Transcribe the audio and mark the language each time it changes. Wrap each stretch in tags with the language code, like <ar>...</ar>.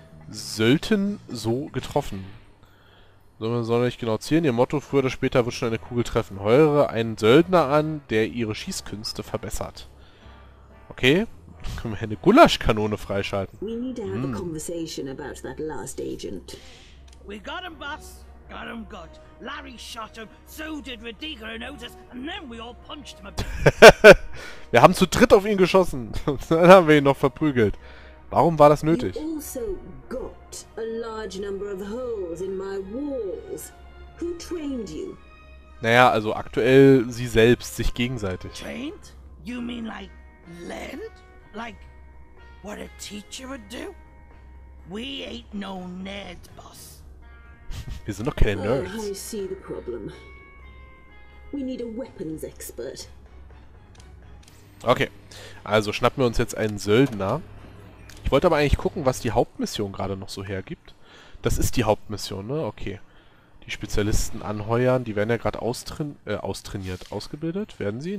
<de>Sollten so getroffen. Soll ich genau zählen? Ihr Motto, früher oder später wird schon eine Kugel treffen. Heuere einen Söldner an, der ihre Schießkünste verbessert. Okay. Können wir eine Gulaschkanone freischalten. Wir müssen eine Konversation über diesen letzten Agent.</de> <en>We got him, boss. Got him good. Larry shot him, so did Radiga and Otis, and then we all punched him a bit.</en> <de>Wir haben zu dritt auf ihn geschossen. Dann haben wir ihn noch verprügelt. Warum war das nötig?</de> <en>You also got a large number of holes in my walls. Who trained you?</en> <de>Naja, also aktuell sie selbst, sich gegenseitig.</de> <en>Trained? You mean like learned? Like what a teacher would do? We ain't no nerd, boss.</en> <de>Wir sind doch keine Nerds.</de> <en>Oh, I see the problem. We need a weapons expert.</en> <de>Okay, also schnappen wir uns jetzt einen Söldner. Ich wollte aber eigentlich gucken, was die Hauptmission gerade noch so hergibt. Das ist die Hauptmission, ne? Okay. Die Spezialisten anheuern, die werden ja gerade austrainiert. Ausgebildet werden sie?</de>